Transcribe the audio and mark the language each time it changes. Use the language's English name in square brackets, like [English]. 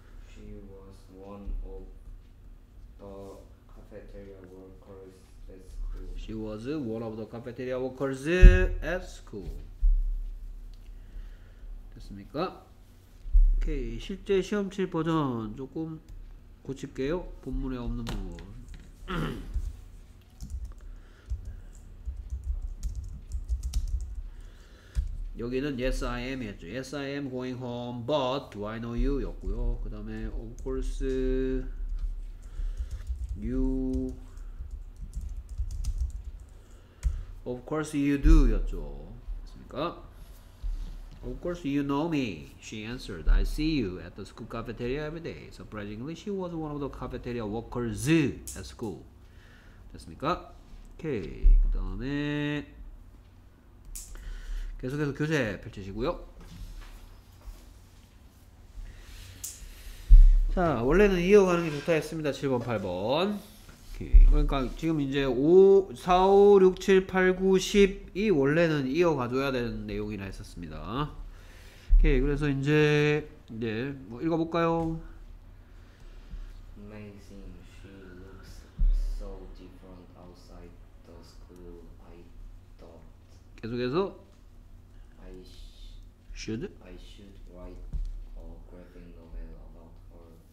[English] She was one of the cafeteria workers at She was one of the cafeteria workers at school. [Korean] 됐습니까? 오케이. 실제 시험칠 버전 조금 고칠게요. 본문에 없는 부분. 여기는 [English] yes I am [Korean] 했죠. [English] Yes I am going home, but do I know you? [Korean] 였고요. 그 다음에 [English] of course you of course you do [Korean] 였죠. 됐습니까? [English] Of course you know me, she answered. I see you at the school cafeteria every day. Surprisingly, she was one of the cafeteria workers at school. [Korean] 됐습니까? 오케이. 그 다음에 계속해서 교재 펼치시고요. 자, 원래는 이어가는 게 좋다 했습니다. 7번, 8번. 오케이. 그러니까 지금 이제 5, 4, 5, 6, 7, 8, 9, 10이 원래는 이어가줘야 되는 내용이라 했었습니다. 오케이. 그래서 이제 네, 뭐 읽어볼까요? [English] Amazing. She looks so different outside the school, I thought. [Korean] 계속해서 Should? [English] I should write a gripping novel about her.